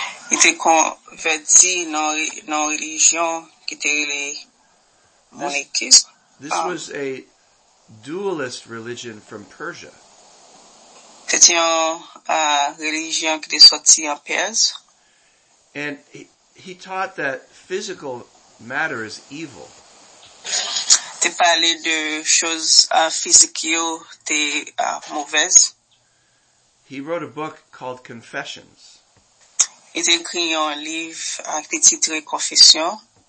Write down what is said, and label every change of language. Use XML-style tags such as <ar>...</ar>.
<fr>Il était converti dans une religion qui était le Manichaeisme.</fr> <en>This was a dualist religion from Persia.</en> <fr>C'était une religion qui était sortie en Perse.</fr> <en>And he taught that physical matter is evil.</en> <fr>T'es parlé de choses physiques qui étaient mauvaises.</fr> <en>He wrote a book called Confessions.</en> <fr>Il a écrit un livre qui était titré Confessions.</fr>